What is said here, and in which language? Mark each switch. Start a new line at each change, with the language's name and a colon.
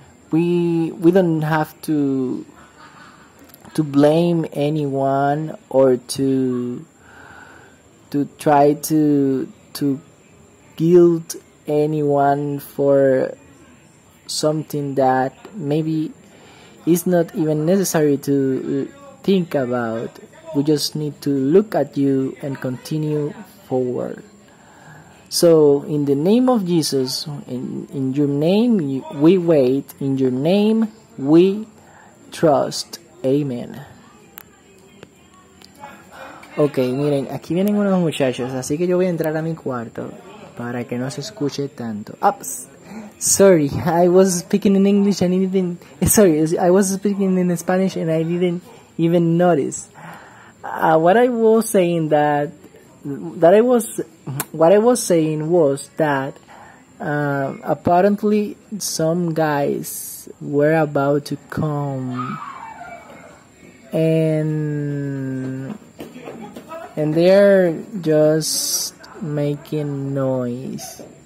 English: We don't have to blame anyone or to try to guilt anyone for something that maybe is not even necessary to think about. We just need to look at you and continue forward. So, in the name of Jesus, in your name we wait, in your name we trust. Amen.
Spanish: Okay, miren, aquí vienen unos muchachos, así que yo voy a entrar a mi cuarto para que no se escuche tanto. Ups!
English: Sorry, I was speaking in English and I was speaking in Spanish and I didn't even notice. What I was saying was that apparently some guys were about to come and they're just making noise.